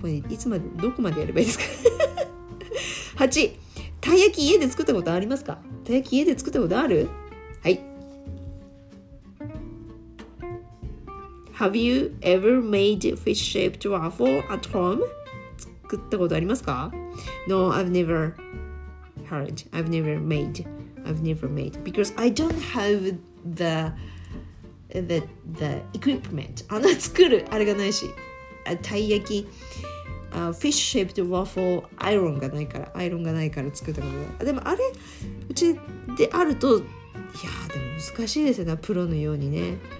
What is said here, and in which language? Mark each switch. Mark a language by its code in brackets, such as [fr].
[ja] これいつまで、どこまでやればいいですか?8! たい焼き家で作ったことありますか？たい焼き家で作ったことある？はい。 [en] Have you ever made fish-shaped waffle at home? [ja] 作ったことありますか？ [en] No, I've never made. Because I don't have the equipment. [ja] あの作るあれがないし、たい焼き、 [en] fish shaped waffle [ja] アイロンがないから作ったことない。でもあれうちであると、いやでも難しいですよね、プロのようにね。